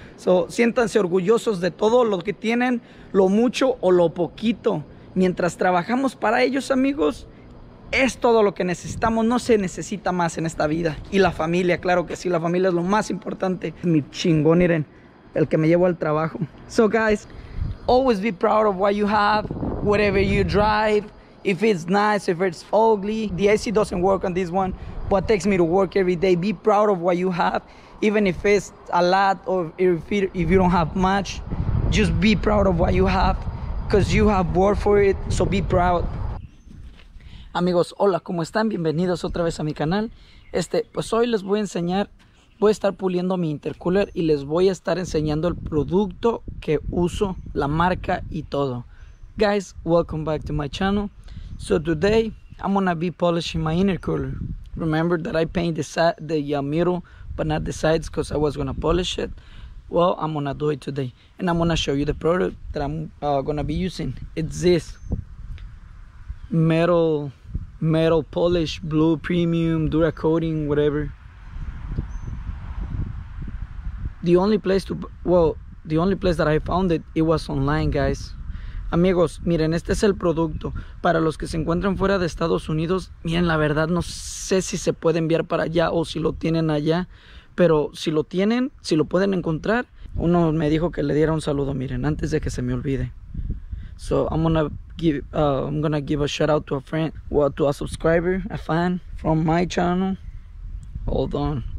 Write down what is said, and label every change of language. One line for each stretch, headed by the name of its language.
Spanish: So, siéntanse orgullosos de todo lo que tienen, lo mucho o lo poquito. Mientras trabajamos para ellos, amigos, es todo lo que necesitamos. No se necesita más en esta vida. Y la familia, claro que sí, la familia es lo más importante. Mi chingón, miren, el que me llevo al trabajo.
English: So, guys, always be proud of what you have. Whatever you drive, if it's nice, if it's ugly, the AC doesn't work on this one, but it takes me to work every day. Be proud of what you have, even if it's a lot or if you don't have much, just be proud of what you have, because you have worked for it, so be proud.
Spanish: Amigos, hola, ¿cómo están? Bienvenidos otra vez a mi canal. Pues hoy les voy a enseñar, voy a estar puliendo mi intercooler y les voy a estar enseñando el producto que uso, la marca y todo.
English: Guys, welcome back to my channel. So today I'm gonna be polishing my intercooler. Remember that I painted the middle but not the sides because I was gonna polish it. Well, I'm gonna do it today and I'm gonna show you the product that I'm gonna be using. It's this metal polish, blue premium, Dura coating, whatever. The only place that I found it was online, guys.
Spanish: Amigos, miren, este es el producto. Para los que se encuentran fuera de Estados Unidos, miren, la verdad no sé si se puede enviar para allá o si lo tienen allá, pero si lo tienen, si lo pueden encontrar, uno me dijo que le diera un saludo, miren, antes de que se me olvide.
English: So, I'm gonna give a shout out to a friend, well, to a subscriber, a fan from my channel. Hold on.